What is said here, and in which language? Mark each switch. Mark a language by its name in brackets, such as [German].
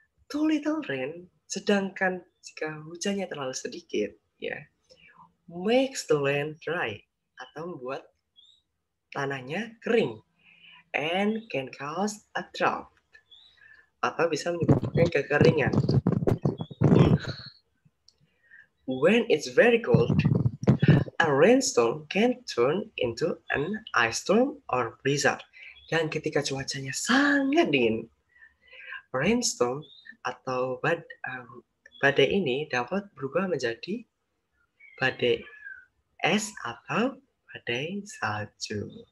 [English] Too little rain, [Indonesian] sedangkan jika hujannya terlalu sedikit, [English] ya, makes the land dry [Indonesian] atau membuat tanahnya kering [English] and can cause a drought. [Indonesian] Atau bisa menyebabkan kekeringan. [English] When it's very cold, a rainstorm can turn into an ice storm or blizzard. [Indonesian] Dan ketika cuacanya sangat dingin, rainstorm atau badai ini dapat berubah menjadi badai es atau badai salju.